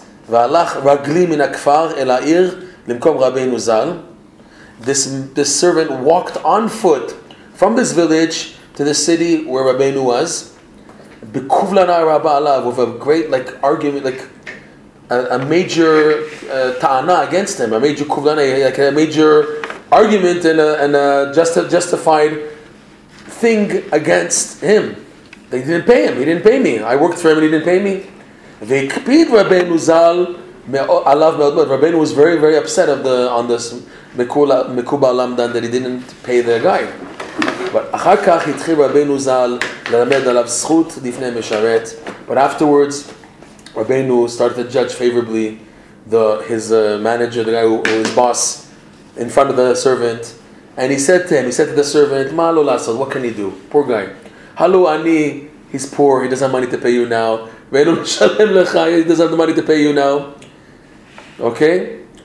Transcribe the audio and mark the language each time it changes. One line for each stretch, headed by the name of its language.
Hebrew: והלך רגלי מן הכפר אל העיר למקום רבינו זל.
English: This servant walked on foot from this village to the city where Rabbeinu was.
Hebrew: Bekuvlana rabba alav,
English: with a great like argument, like a major ta'ana against him, a major kuvlana, like a major argument and a justified thing against him. They didn't pay him. He didn't pay me. I worked for him and he didn't pay me.
Hebrew: Ve'kpid Rabbeinu Zal alav me'od mod.
English: Rabbeinu was very, very upset on this mekubal lamdan that he didn't pay the guy. But
Hebrew: אחר כך התחיל רבנו זל ללמד עליו זכות לפני משרת.
English: But afterwards, רבנו started to judge favorably his manager, the guy who his boss, in front of the servant. And he said to the servant,
Hebrew: מה לא לעשות?
English: What can he do? Poor guy.
Hebrew: הלו אני,
English: he's poor, he doesn't have money to pay you now.
Hebrew: ואינו משלם לך,
English: he doesn't have the money to pay you now. Okay?